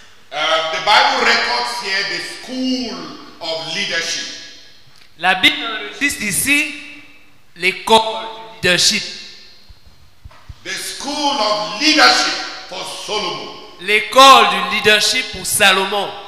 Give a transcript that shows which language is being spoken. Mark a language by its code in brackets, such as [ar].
[en] The Bible records here the school of leadership. [fr] La Bible enregistre ici l'école de leadership. [en] The school of leadership for Solomon. [fr] L'école du leadership pour Salomon.